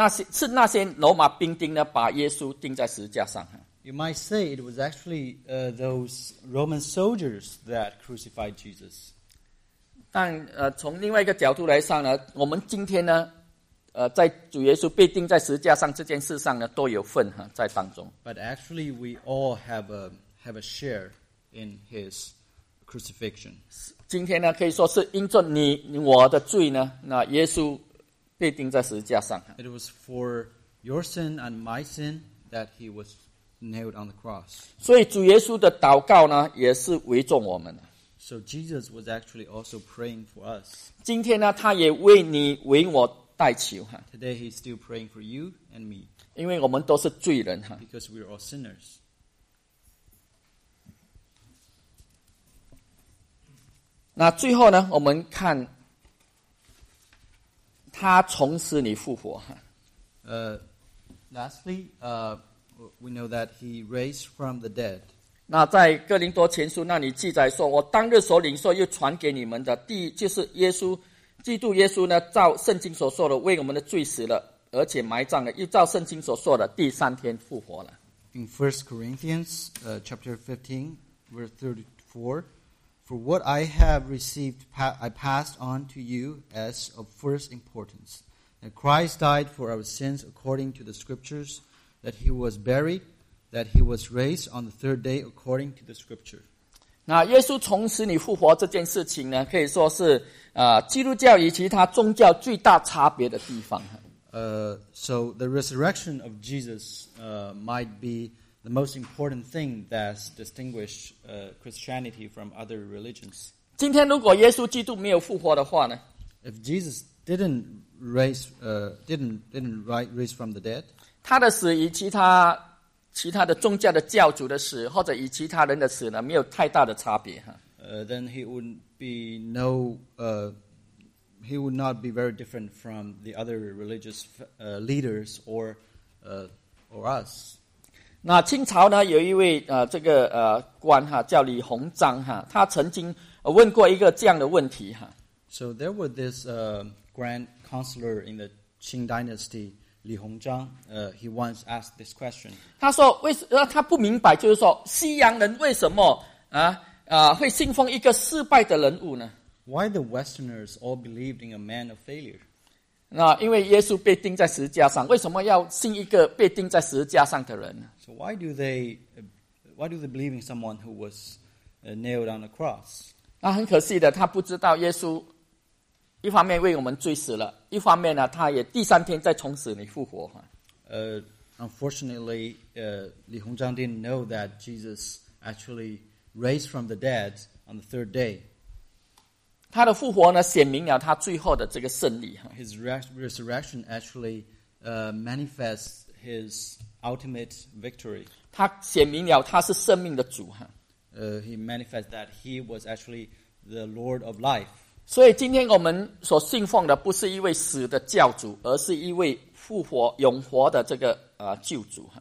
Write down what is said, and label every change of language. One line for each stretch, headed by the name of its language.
Chinese: 是那些罗马兵丁呢，把耶稣钉在十字架上。
English: You might say it was actually those Roman soldiers that crucified Jesus.
Chinese: 但从另外一个角度来上呢，我们今天呢，在主耶稣被钉在十字架上这件事上呢，都有份哈在当中。
English: But actually, we all have a share in his crucifixion.
Chinese: 今天呢，可以说是因着你我的罪呢，那耶稣被钉在十字架上。
English: It was for your sin and my sin that he was nailed on the cross.
Chinese: 所以主耶稣的祷告呢，也是为众我们。
English: So Jesus was actually also praying for us.
Chinese: 今天呢，他也为你为我代求哈。
English: Today he's still praying for you and me.
Chinese: 因为我们都是罪人哈。
English: Because we're all sinners.
Chinese: 那最后呢，我们看他从死里复活。
English: Lastly, we know that he raised from the dead.
Chinese: 那在哥林多前书那里记载说，我当日所领受又传给你们的，第一就是耶稣基督耶稣呢，照圣经所说的为我们的罪死了，而且埋葬了，又照圣经所说的第三天复活了。
English: In 1 Corinthians chapter 15 verse 34, for what I have received I passed on to you as of first importance, that Christ died for our sins according to the scriptures, that he was buried, that he was raised on the third day according to the scripture.
Chinese: 那耶稣从死里复活这件事情呢，可以说是基督教与其他宗教最大差别的地方。
English: So the resurrection of Jesus might be the most important thing that distinguishes Christianity from other religions.
Chinese: 今天如果耶稣基督没有复活的话呢
English: ？If Jesus didn't raise from the dead,
Chinese: 他的死与其他的宗教的教主的死或者与其他人的死呢，没有太大的差别哈。
English: Then he would be no, he would not be very different from the other religious leaders or us.
Chinese: 那清朝呢，有一位官哈，叫李鸿章哈，他曾经问过一个这样的问题哈。
English: So there was this grand counselor in the Qing Dynasty. 李鸿章he once asked this question.
Chinese: 他不明白，就是说西洋人为什么会信奉一个失败的人物呢
English: ？Why the Westerners all believed in a man of failure？
Chinese: 那因为耶稣被钉在十字架上，为什么要信一个被钉在十字架上的人
English: ？So why do they believe in someone who was nailed on the cross？
Chinese: 那很可惜的，他不知道耶稣。一方面为我们罪死了，一方面呢，他也第三天再从死里复活。
English: Unfortunately, Li Hongzhang didn't know that Jesus actually raised from the dead on the third day.
Chinese: 他的复活呢，显明了他最后的这个胜利。
English: His resurrection actually manifests his ultimate victory.
Chinese: 他显明了他是生命的主。
English: He manifests that he was actually the Lord of life.
Chinese: 所以今天我们所信奉的不是一位死的教主，而是一位复活永活的这个救主。